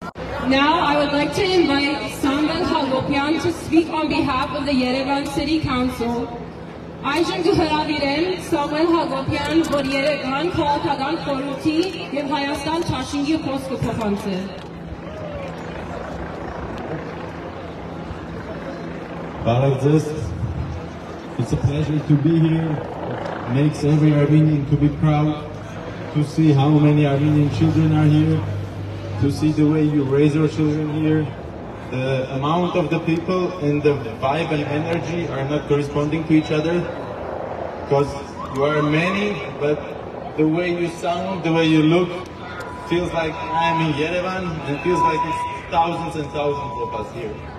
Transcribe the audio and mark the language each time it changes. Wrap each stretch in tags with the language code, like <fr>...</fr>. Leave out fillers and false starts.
<en>Now I would like to invite Sambal Hagopian to speak on behalf of the Yerevan City Council.</en> <hy>Այժմ դուհրավիրեմ Սամուել Հակոբյան, որ Երևան քաղաքական խորհրդի եւ Հայաստան ճաշինգի խոսքը փոխանցի։ Բարև ձեզ։</hy> <en>It's a pleasure to be here. Makes every Armenian to be proud to see how many Armenian children are here, to see the way you raise your children here. The amount of the people and the vibe and energy are not corresponding to each other because you are many, but the way you sound, the way you look feels like I'm in Yerevan and feels like it's thousands and thousands of us here.</en>